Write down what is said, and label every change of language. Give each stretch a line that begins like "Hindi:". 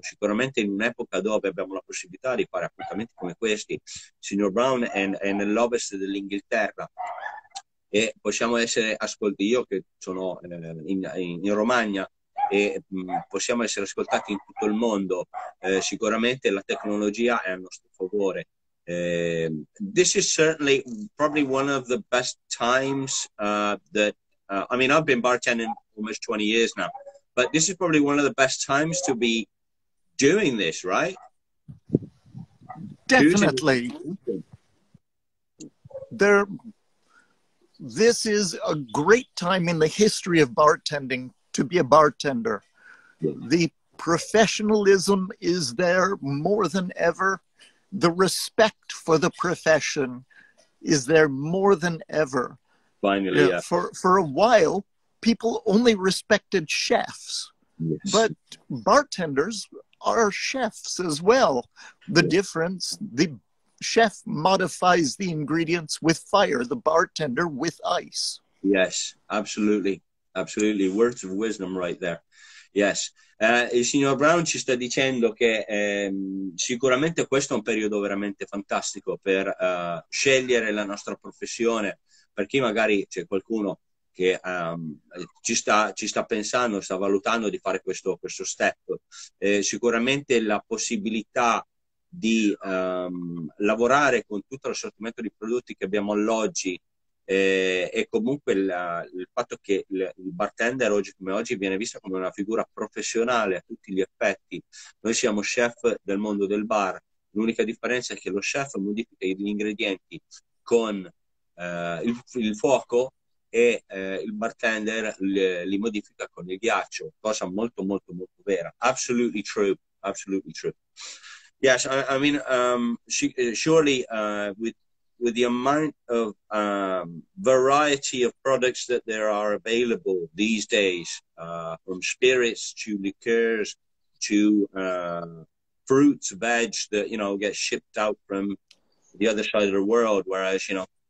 Italian: Sicuramente in un'epoca dove abbiamo la possibilità di fare appuntamenti come questi, signor Brown è nell'ovest dell'Inghilterra e possiamo essere, ascolti, io che sono in Romagna, e possiamo essere ascoltati in tutto il mondo. Sicuramente la tecnologia è a nostro favore.
English: This is certainly probably one of the best times I mean, I've been bartending almost 20 years now, but this is probably one of the best times to be doing this, right? Definitely. This is a great time in the history of bartending to be a bartender. The professionalism is there more than ever. The respect for the profession is there more than ever. Finally, yeah. For a while, people only respected chefs. Yes. But bartenders are chefs as well. The difference, the chef modifies the ingredients with fire, the bartender with ice. Yes, absolutely. Absolutely. Words of wisdom right there.
Italian: Yes, il signor Brown ci sta dicendo che sicuramente questo è un periodo veramente fantastico per scegliere la nostra professione, per chi magari c'è qualcuno che ci sta pensando, sta valutando di fare questo step. Sicuramente la possibilità di lavorare con tutto l'assortimento di prodotti che abbiamo all'oggi, e comunque il fatto che il bartender oggi come oggi viene visto come una figura professionale a tutti gli effetti. Noi siamo chef del mondo del bar, l'unica differenza è che lo chef modifica gli ingredienti con il fuoco e il bartender li modifica con il ghiaccio, cosa molto molto molto vera.
English: Absolutely true, absolutely true. Yes, I mean, surely with the amount of variety of products that there are available these days, from spirits to liqueurs to fruits, veg that, you know, get shipped out from the other side of the world, whereas, you know,